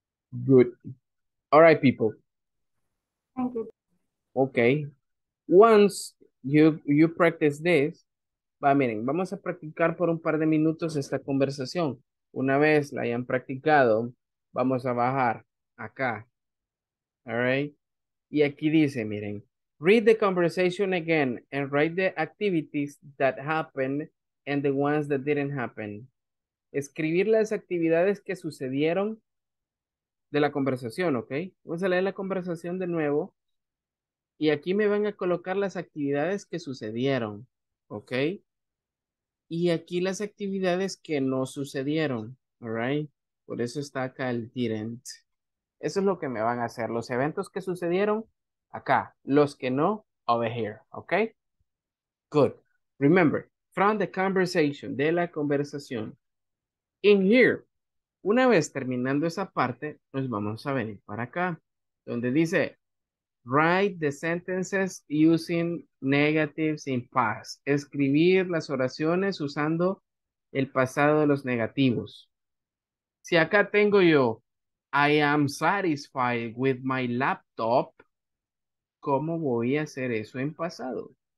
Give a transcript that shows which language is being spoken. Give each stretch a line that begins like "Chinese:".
English: Good. All right, people. Thank you.
Spanish: Okay.
English: Once you practice this,
Spanish: va, miren, vamos a practicar por un par de minutos esta conversación. Una vez la hayan practicado, vamos a bajar acá.
English: All right.
Spanish: Y aquí dice, miren,
English: read the conversation again and write the activities that happened and the ones that didn't happen.
Spanish: Escribir las actividades que sucedieron de la conversación, ¿ok? Vamos a leer la conversación de nuevo Y aquí me van a colocar las actividades que sucedieron, ¿ok? Y aquí las actividades que no sucedieron,
English: ¿alright?
Spanish: Por eso está acá el didn't. Eso es lo que me van a hacer. Los eventos que sucedieron, acá. Los que no,
English: over here,
Spanish: ¿ok?
English: Good. Remember, from the conversation,
Spanish: de la conversación.
English: In here.
Spanish: Una vez terminando esa parte, nos vamos a venir para acá. Donde dice,
English: write the sentences using negatives in past.
Spanish: Escribir las oraciones usando el pasado de los negativos. Si acá tengo yo,
English: I am satisfied with my laptop,
Spanish: ¿cómo voy a hacer eso en pasado?